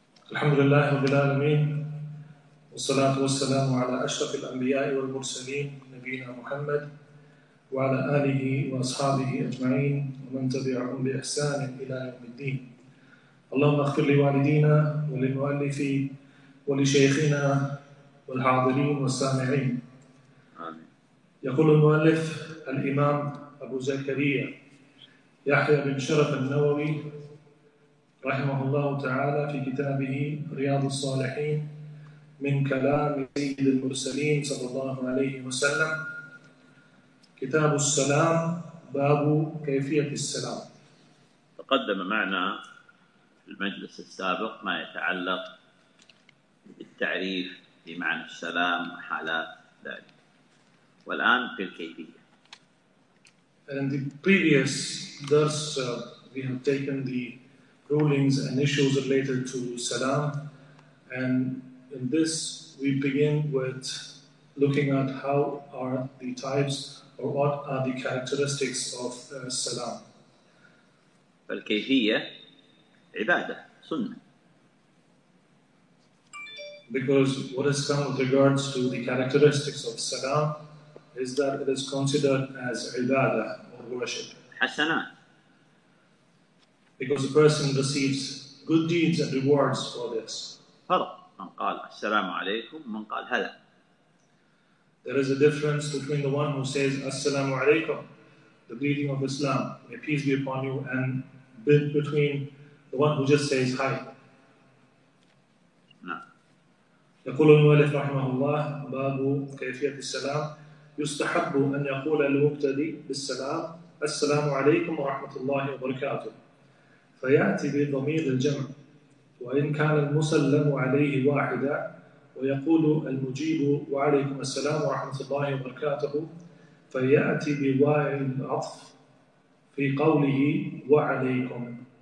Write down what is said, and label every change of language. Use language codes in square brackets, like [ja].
[ar] Alhamdulillah rabbil alameen, wa salatu wassalamu ala ashrafil anbiya'i wal mursaleen, nabiyina Muhammad, wa ala alihi wa ashabihi ajma'in, wa man tabi'ahum bi ihsan ila yawmiddin. Allahumma aghfir li walidina wa li mu'allifi ولشيخنا والحاضرين والسامعين. يقول المؤلف الإمام أبو زكريا يحيى بن شرف النووي رحمه الله تعالى في كتابه رياض الصالحين من كلام سيد المرسلين صلى الله عليه وسلم، كتاب السلام، باب كيفية السلام. تقدم معنا المجلس السابق ما يتعلق التعريف بمعنى السلام وحالات ذلك، والآن في الكيفية. [en] In the previous درس we have taken the rulings and issues related to salam, and in this we begin with looking at how are the types or what are the characteristics of salam. [ar] فالكيفية عبادة سنة. [en] Because what has come with regards to the characteristics of salam is that it is considered as ibadah or worship. [ar] Hasanat. [en] Because the person receives good deeds and rewards for this. [ar] Farq. Man qal assalamu alaykum, man qal hala. [en] There is a difference between the one who says assalamu alaykum, the greeting of Islam, may peace be upon you, and between the one who just says hi. [ar] يقول المؤلف رحمه الله باب كيفية السلام. يستحب أن يقول المبتدي بالسلام السلام عليكم ورحمة الله وبركاته، فيأتي بضمير الجمع، وإن كان المسلم عليه واحدا ويقول المجيب وعليكم السلام ورحمة الله وبركاته، فيأتي بواو العطف في قوله وعليكم.